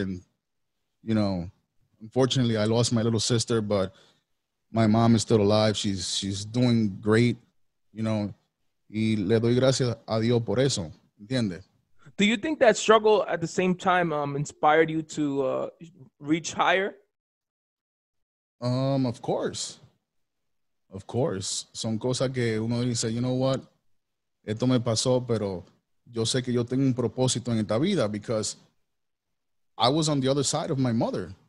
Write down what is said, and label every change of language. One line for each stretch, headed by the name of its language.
English: And, you know, unfortunately, I lost my little sister, but my mom is still alive. She's doing great, you know.
Spanish: Y le doy gracias a Dios por eso, ¿entiendes?
English: Do you think that struggle at the same time inspired you to reach higher? Of course. Of course.
Spanish: Son cosas que uno dice,
English: you know what?
Spanish: Esto me pasó, pero yo sé que yo tengo un propósito en esta vida
English: because I was on the other side of my mother.